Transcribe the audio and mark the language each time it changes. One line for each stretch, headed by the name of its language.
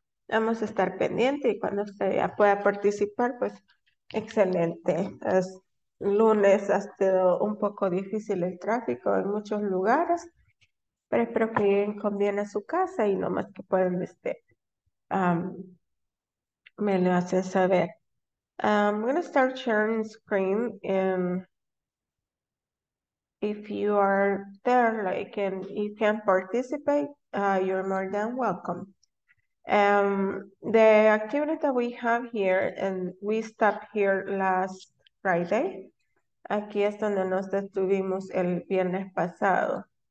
Spanish: Vamos a estar pendiente y cuando usted ya pueda participar, pues, excelente. Es lunes, ha sido un poco difícil el tráfico en muchos lugares, pero espero que lleguen con bien a su casa y no más que puedan estar. Me lo hacen saber.
English: I'm going to start sharing screen, and if you are there, like, and you can participate, you're more than welcome. The activity that we have here, and we stopped here last Friday.
Spanish: Aquí es donde nos detuvimos el viernes pasado.